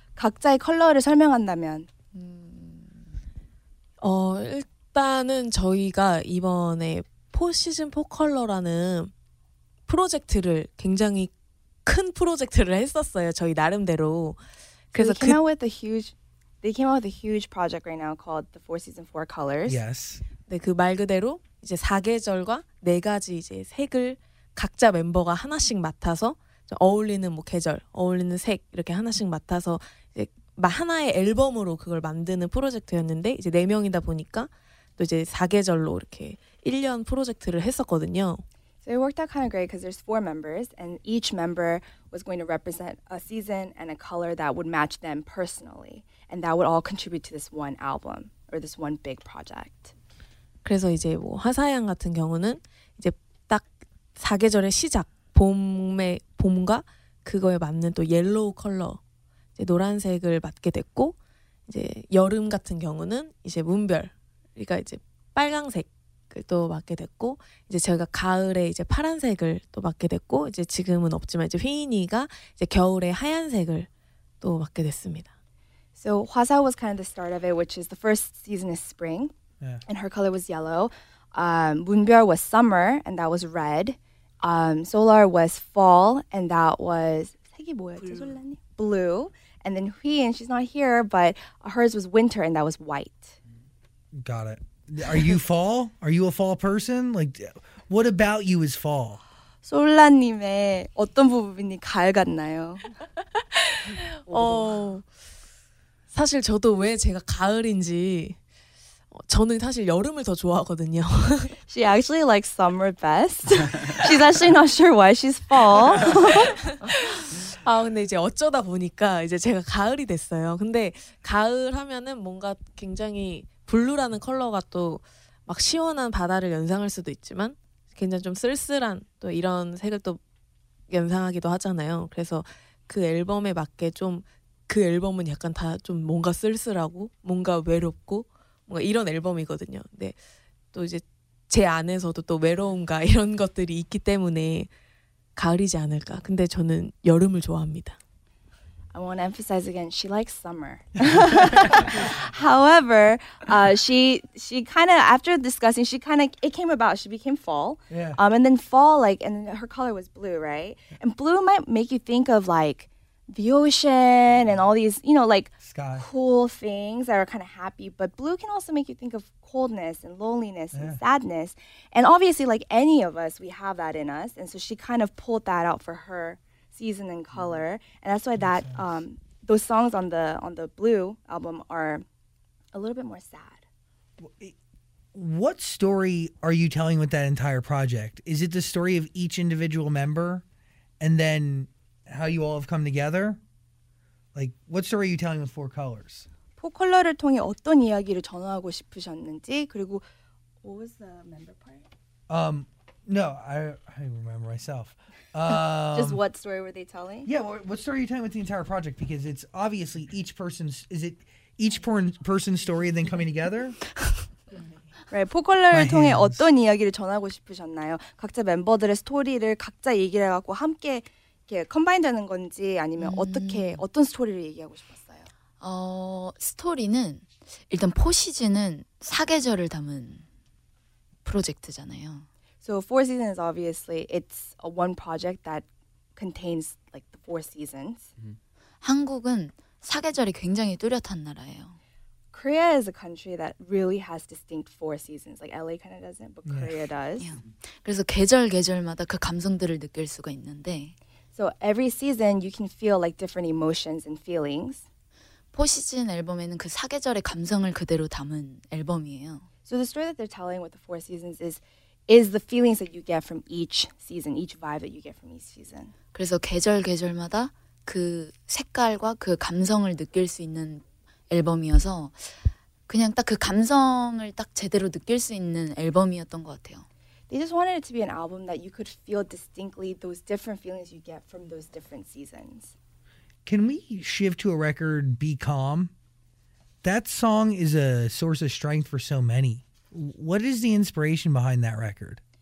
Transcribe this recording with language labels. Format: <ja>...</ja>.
<ko>각자의 컬러를 설명한다면. 일단은 저희가 이번에 4시즌 4컬러라는 프로젝트를 굉장히 큰 프로젝트를 했었어요. 저희 나름대로. 그래서</ko> <en>so came out with a huge They came out with a huge project right now called the Four Seasons, Four Colors. Yes.</en> <ko>네, 그 말 그대로 이제 사계절과 네 가지 이제 색을 각자 멤버가 하나씩 맡아서 어울리는 뭐 계절, 어울리는 색 이렇게 하나씩 맡아서 이제 하나의 앨범으로 그걸 만드는 프로젝트였는데 이제 네 명이다 보니까 또 이제 사계절로 이렇게 1년 프로젝트를 했었거든요.</ko> <en>So it worked out kind of great because there's four members and each member was going to represent a season and a color that would match them personally. And that would all contribute to this one album or this one big project.</en> <ko>그래서 이제 뭐 화사양 같은 경우는 이제 딱 사계절의 시작, 봄의 봄과 그거에 맞는 또 옐로우 컬러, 이제 노란색을 맡게 됐고 이제 여름 같은 경우는 이제 문별, 그러니까 이제 빨강색을 또 맡게 됐고 이제 제가 가을에 이제 파란색을 또 맡게 됐고 이제 지금은 없지만 이제 휘인이가 이제 겨울에 하얀색을 또 맡게 됐습니다.</ko> <en>So Hwasa was kind of the start of it, which is the first season is spring, yeah. And her color was yellow. Moonbyul was summer, and that was red. Solar was fall, and that was blue. And then Hui, and she's not here, but hers was winter, and that was white. Got it. Are you fall? Are you a fall person? Like, what about you is fall?</en> <ko>솔라님의 어떤 부분이 가을 같나요? 사실 저도 왜 제가 가을인지 저는 사실 여름을 더 좋아하거든요.</ko> <en>She actually likes summer best. She's actually not sure why she's fall.</en> <ko>아 근데 이제 어쩌다 보니까 이제 제가 가을이 됐어요. 근데 가을 하면은 뭔가 굉장히 블루라는 컬러가 또 막 시원한 바다를 연상할 수도 있지만 굉장히 좀 쓸쓸한 또 이런 색을 또 연상하기도 하잖아요. 그래서 그 앨범에 맞게 좀 그 앨범은 약간 다 좀 뭔가 쓸쓸하고 뭔가 외롭고 뭔가 이런 앨범이거든요. 근데 또 이제 제 안에서도 또 외로움과 이런 것들이 있기 때문에 가을이지 않을까. 근데 저는 여름을 좋아합니다.</ko> <en>I want to emphasize again, she likes summer. However, she kind of, after discussing, she kind of, it came about, she became fall. Yeah. And then fall, like, and her color was blue, right? And blue might make you think of, like, the ocean and all these, you know, like, sky. Cool things that are kind of happy. But blue can also make you think of coldness and loneliness and sadness. And obviously, like any of us, we have that in us. And so she kind of pulled that out for her season and color. And that's why that those songs on the Blue album are a little bit more sad. What story are you telling with that entire project? Is it the story of each individual member and then how you all have come together? Like, what story are you telling with Four Colors?</en> <ko>4Color를 통해 어떤 이야기를 전하고 싶으셨는지, 그리고</ko> <en>what was the member part? No, I remember myself. Just what story were they telling? Yeah, what story are you telling with the entire project? Because it's obviously each person's, is it each person's story and then coming together?</en> <ko>Right, 4Color를 통해 어떤 이야기를 전하고 싶으셨나요? 각자 멤버들의 스토리를 각자 얘기를 해갖고 함께 이렇게 컴바인 되는 건지 아니면 어떻게 어떤 스토리를 얘기하고 싶었어요? 스토리는 일단 포 시즌은 사계절을 담은 프로젝트잖아요.</ko> <en>So Four Seasons, obviously, it's a one project that contains like the four seasons. Mm-hmm.</en> <ko>한국은 사계절이 굉장히 뚜렷한 나라예요.</ko> <en>Korea is a country that really has distinct four seasons. Like LA kind of doesn't, but Korea yeah. does. Yeah.</en> <ko>그래서 계절 계절마다 그 감성들을 느낄 수가 있는데.</ko> <en>So every season, you can feel like different emotions and feelings.</en> <ko>포 시즌 앨범에는 그 사계절의 감성을 그대로 담은 앨범이에요.</ko> <en>So the story that they're telling with the four seasons is the feelings that you get from each season, each vibe that you get from each season.</en> <ko>그래서 계절 계절마다 그 색깔과 그 감성을 느낄 수 있는 앨범이어서 그냥 딱 그 감성을 딱 제대로 느낄 수 있는 앨범이었던 것 같아요.</ko> <en>They just wanted it to be an album that you could feel distinctly those different feelings you get from those different seasons. Can we shift to a record, Be Calm? That song is a source of strength for so many. What is the inspiration behind that record?</en>